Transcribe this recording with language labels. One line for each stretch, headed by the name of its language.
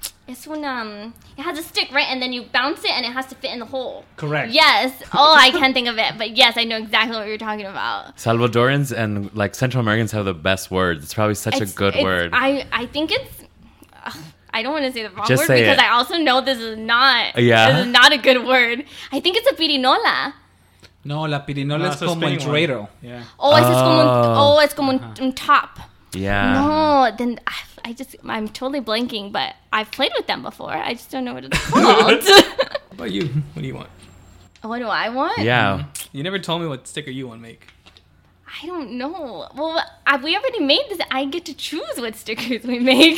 English: It's when it has a stick, right? And then you bounce it, and it has to fit in the hole. Correct. Yes. Oh, I can't think of it. But yes, I know exactly what you're talking about. Salvadorans and like Central Americans have the best words. It's probably such a good word. I think it's... I don't want to say the wrong word. Because I also know this is not... Yeah. This is not a good word. I think it's a pirinola.
Spanish: No, la pirinola es como un dreidel.
English: Yeah.
Spanish: Es como un top.
English: Yeah. No, then I'm totally blanking, but I've played with them before. I just don't know what it's called. How about you? What do you want? What do I want? Yeah. You never told me what sticker you want to make. I don't know. Well, we already made this. I get to choose what stickers we make.